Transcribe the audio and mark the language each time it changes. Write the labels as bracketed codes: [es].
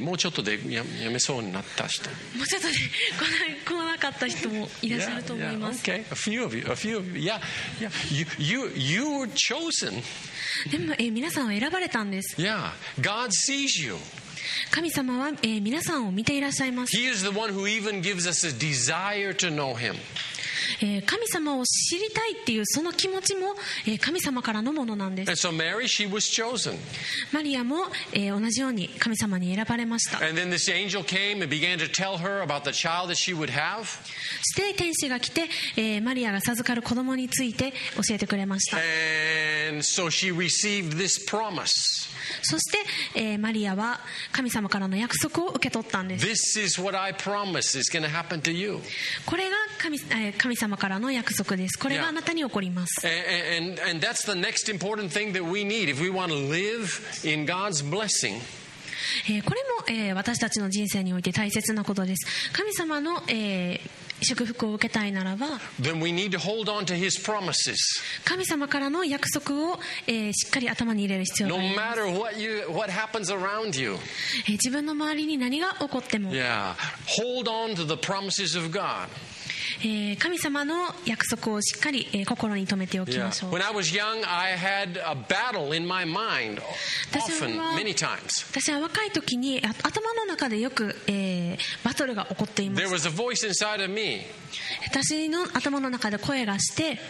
[ja] もうちょっとで やめそうになった人。もうちょっとで来なかった人もいらっしゃると思います。 [en] Yeah, yeah. Okay, a few of you. Yeah, yeah. You were chosen. [ja] でも、皆さんは選ばれたんです。 [en] Yeah, God sees you. [ja] 神様は、皆さんを見ていらっしゃいます。 [en] He is the one who even gives us a desire to know Him. [ja] 神様を知りたいっていうその気持ちも神様からのものなんです。 [en] And so Mary, she was chosen. [ja] マリアも同じように神様に選ばれました。 [en] And then this angel came and began to tell her about the child that she would have. [ja] そして天使が来て、マリアが授かる子供について教えてくれました。 [en] And so she received this promise. [ja] そして、マリアは神様からの約束を受け取ったんです。 [en] This is what I promise is going to happen to you. [ja] これが神様からの約束です。これがあなたに起こります。 [en] And that's the next important thing that we need if we want to live in God's blessing. [ja] これも私たちの人生において大切なことです。神様の祝福を受けたいならば、 [en] Then we need to hold on to his promises. [ja] 神様からの約束をしっかり頭に入れる必要があります。 [en] No matter what happens around you. [ja] 自分の周りに何が起こっても、 [en] Yeah, hold on to the promises of God. [ja] 神様の約束をしっかり心に留めておきましょう。 [en] When I was young, I had a battle in my mind often, many times. [ja] 私は若い時に頭の中でよくバトルが起こっています。 [en] There was a voice inside of me. [ja] 私の頭の中で声がして、